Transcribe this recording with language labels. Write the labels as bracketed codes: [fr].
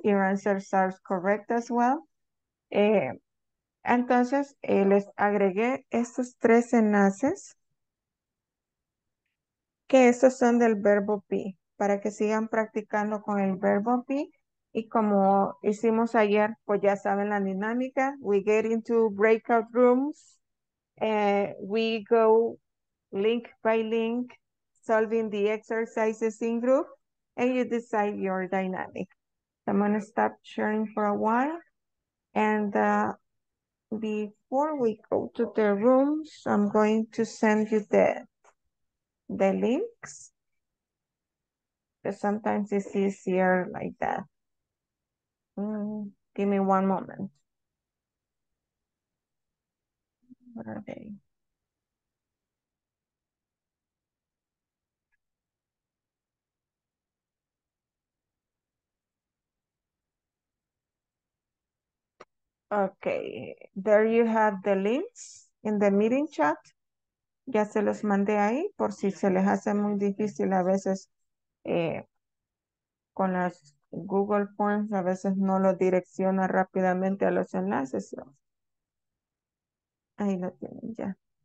[en] Your answers are correct as well. [es] Entonces, les agregué estos tres enlaces. Que estos son del verbo be, para que sigan practicando con el verbo be. Y como hicimos ayer, pues ya saben la dinámica. [en] We get into breakout rooms. We go link by link, solving the exercises in group. And you decide your dynamic. So I'm going to stop sharing for a while. And before we go to the rooms, I'm going to send you the links, because sometimes it's easier like that. Give me one moment. Where are they? Okay, there you have the links in the meeting chat. [es] Ya se los mandé ahí por si se les hace muy difícil a veces con las Google Forms, a veces no lo direcciona rápidamente a los enlaces. Ahí lo tienen ya.